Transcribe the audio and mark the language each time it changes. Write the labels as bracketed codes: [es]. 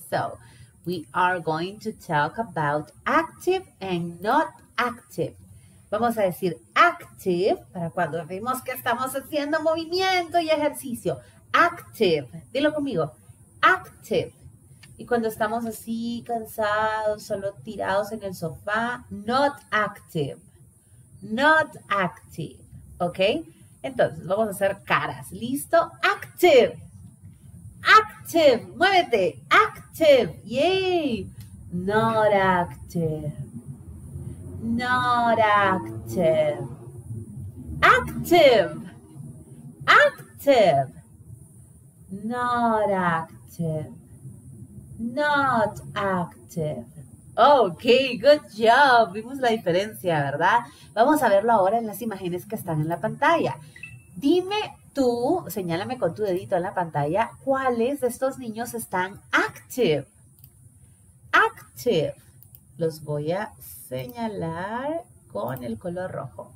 [en] So, we are going to talk about active and not active. [es] Vamos a decir active para cuando vemos que estamos haciendo movimiento y ejercicio. Active. Dilo conmigo. Active. Y cuando estamos así cansados, solo tirados en el sofá, not active. [en] Not active. [es] ¿Ok? Entonces, vamos a hacer caras. ¿Listo? Active. [en] active, muévete, active, yay. Not active, not active, active, active, not active, not active. [es] Ok, good job, vimos la diferencia, ¿verdad? Vamos a verlo ahora en las imágenes que están en la pantalla. Dime tú, señálame con tu dedito en la pantalla, ¿cuáles de estos niños están active? Active. Los voy a señalar con el color rojo.